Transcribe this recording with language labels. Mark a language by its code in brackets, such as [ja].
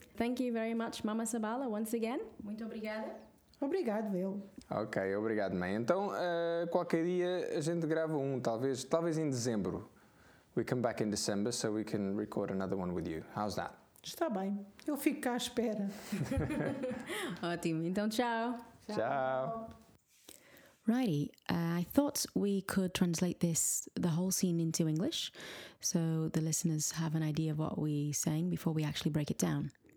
[en] Thank you very much, Mama Sabala, once again. [pt] Muito obrigada. Obrigado, Will. Ok, obrigado, mãe. Então, qualquer dia a gente grava talvez em dezembro. [en] We come back in December so we can record another one with you. How's that? [pt] Está bem. Eu fico cá à espera. Ótimo. Então, tchau. Tchau. [en] Righty. I thought we could translate this, the whole scene, into English so the listeners have an idea of what we're saying before we actually break it down.